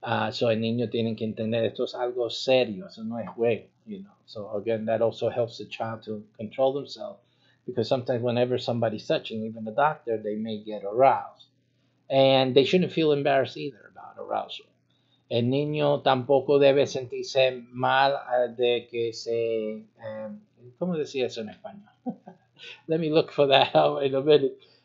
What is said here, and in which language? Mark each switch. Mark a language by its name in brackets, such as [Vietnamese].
[Spanish] So el niño tiene que entender esto es algo serio, eso no es juego, [English] you know. So again, that also helps the child to control themselves, because sometimes whenever somebody's touching, even the doctor, they may get aroused. And they shouldn't feel embarrassed either about arousal. [Spanish] El niño tampoco debe sentirse mal de que se... ¿cómo decía eso en español? [English] Let me look for that in a minute.